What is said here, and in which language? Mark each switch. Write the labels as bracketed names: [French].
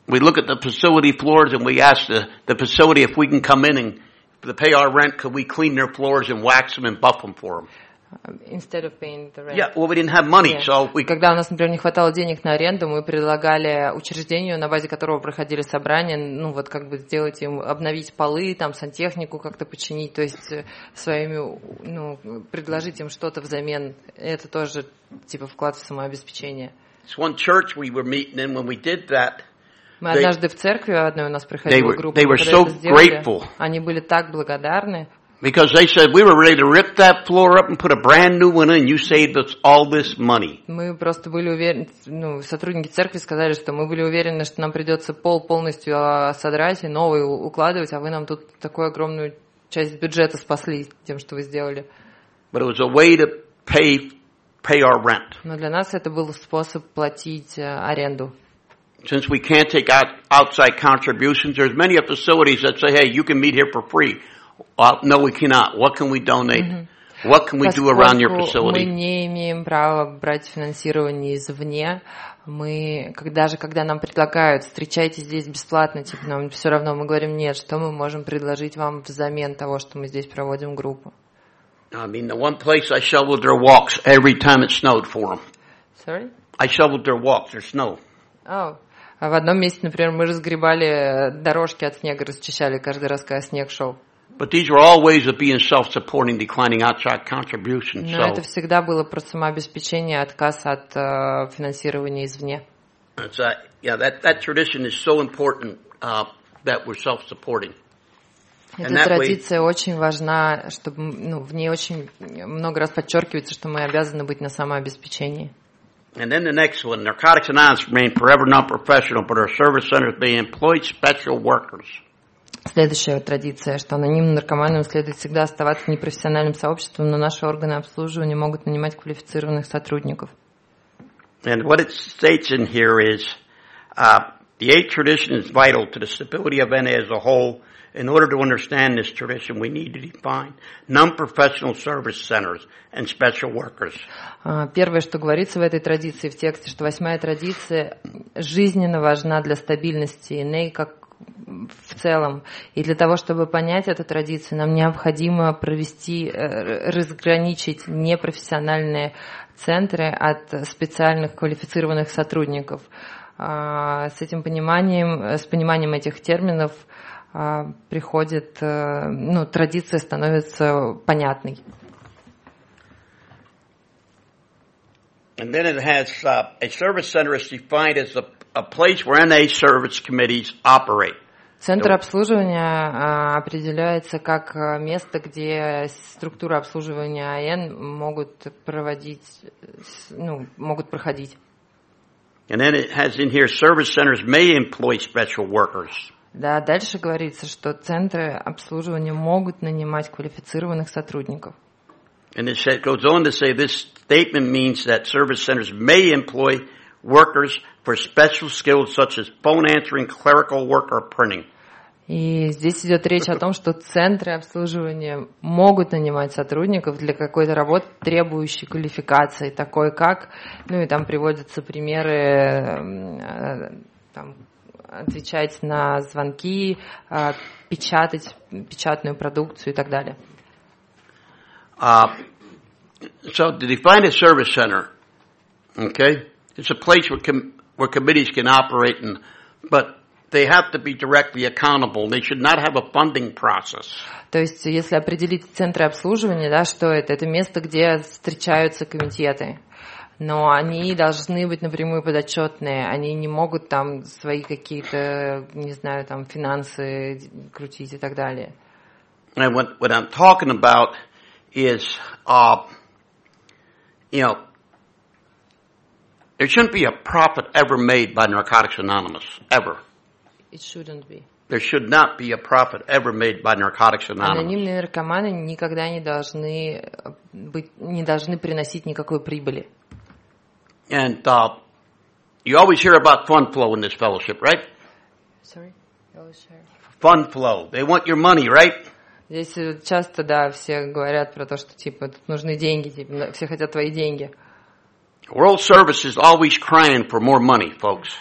[English] We look at the facility floors and we ask the facility if we can come in and to pay our rent, could we clean their floors and wax them and buff them for them? Instead of paying the rent. Yeah, well, we didn't have money, yeah. [Russian] Когда у нас, например, не хватало денег на аренду, мы предлагали учреждению, на базе которого проходили собрания, ну вот как бы сделать им обновить полы, там сантехнику как-то починить, то есть своими, ну предложить им что-то взамен. Это тоже типа вклад в самообеспечение. [English] It's one church we were meeting, and when we did that. [Russian] Мы однажды в церкви одной у нас проходила группа, когда это сделали. Они были так благодарны. [English] Because they said we were ready to rip that floor up and put a brand new one in, you saved us all this money. [Russian] Мы просто были уверены, ну, сотрудники церкви сказали, что мы были уверены, что нам придется пол полностью содрать и новый укладывать, а вы нам тут такую огромную часть бюджета спасли тем, что вы сделали. [English] But it was a way to pay our rent. [Russian] Но для нас это был способ платить аренду. [English] Since we can't take outside contributions, there's many facilities that say, "Hey, you can meet here for free." No, we cannot. What can we donate? What can we do around your facility? [Russian] Мы не имеем права брать финансирование извне. Мы даже когда нам предлагают, встречайтесь здесь бесплатно, типа, нам все равно. Мы говорим нет. Что мы можем предложить вам взамен того, что мы здесь проводим группу? [English] I mean, the one place I shoveled their walks every time it snowed for them. Sorry. I shoveled their walks. There's snow. [Russian] А в одном месте, например, мы разгребали дорожки от снега, расчищали каждый раз, когда снег шел. [English] But these were all ways of being self-supporting, declining outside contributions. [Russian] Но это всегда было про самообеспечение, отказ от финансирования извне. [English] That tradition is so important that we're self-supporting. [Russian] Эта традиция очень важна, чтобы, ну, в ней очень много раз подчеркивается, что мы обязаны быть на самообеспечении. [English] And then the next one, Narcotics Anonymous remain forever non-professional, but our service centers may employ special workers. [Russian] Следующая традиция, что анонимным наркоманам следует всегда оставаться непрофессиональным сообществом, но наши органы обслуживания могут нанимать квалифицированных сотрудников. [English] And what it states in here is, the eighth tradition is vital to the stability of NA as a whole. In order to understand this tradition, we need to define non-professional service centers and special workers. [Russian] Первое, что говорится в этой традиции в тексте, что восьмая традиция жизненно важна для стабильности НА как в целом. И для того, чтобы понять эту традицию, нам необходимо провести, разграничить непрофессиональные центры от специальных квалифицированных сотрудников. С этим пониманием, с пониманием этих терминов приходит, ну, традиция становится понятной. [English] And then it has a service center is defined as a place where NA service committees operate. [Russian] Центр обслуживания определяется как место, где структуры обслуживания АН могут проводить, ну, могут проходить. [English] And then it has in here service centers may employ special workers. [Russian] Да, дальше говорится, что центры обслуживания могут нанимать квалифицированных сотрудников. [English] And it goes on to say this statement means that service centers may employ workers for special skills such as phone answering, clerical work or printing. [Russian] И здесь идет речь о том, что центры обслуживания могут нанимать сотрудников для какой-то работы, требующей квалификации, такой как, ну и там приводятся примеры, там, отвечать на звонки, печатать печатную продукцию и так далее. [English] So to define a service center, okay, it's a place where committees can operate, but they have to be directly accountable. They should not have a funding process. [Russian] То есть, если определить центры обслуживания, да, что это место, где встречаются комитеты. Но они должны быть напрямую подотчетные, они не могут там свои какие-то, не знаю, там финансы крутить и так далее. [English] And what I'm talking about is you know, there shouldn't be a profit ever made by Narcotics Anonymous, ever. It shouldn't be. There should not be a profit ever made by Narcotics Anonymous. [Russian] Анонимные наркоманы никогда не должны быть, не должны приносить никакой прибыли. [English] And you always hear about fund flow in this fellowship, right? Sorry, you always hear. Fund flow. They want your money, right? [Russian] Здесь часто, да, все говорят про то, что типа тут нужны деньги, типа, все хотят твои деньги. [English] World Service is always crying for more money, folks.